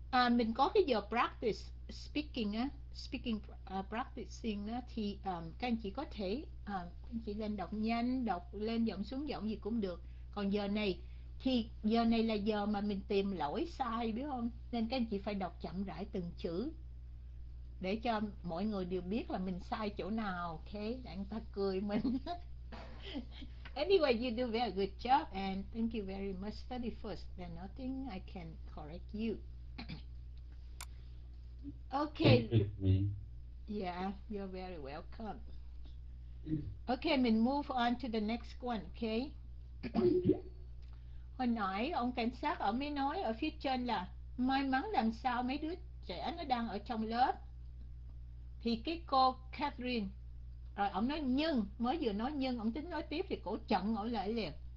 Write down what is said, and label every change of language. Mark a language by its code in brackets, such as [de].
[vi] Mình có cái giờ practice speaking á. Speaking, practicing thì các anh chị có thể chị lên đọc nhanh, đọc lên giọng xuống giọng gì cũng được. Còn giờ này thì giờ này là giờ mà mình tìm lỗi sai, biết không? Nên các anh chị phải đọc chậm rãi từng chữ để cho mọi người đều biết là mình sai chỗ nào, ok? Để anh ta cười mình. [en] Anyway, you do very good job and thank you very much. Study first, then nothing I can correct you. Okay. Yeah, you're very welcome. Okay, mình move on to the next one, okay? [vi] Hồi nãy ông cảnh sát ông mới nói ở phía trên là may mắn làm sao mấy đứa trẻ nó đang ở trong lớp. Thì cái cô Catherine rồi ông nói nhưng, mới vừa nói nhưng ông tính nói tiếp thì cổ chặn ở lại liền.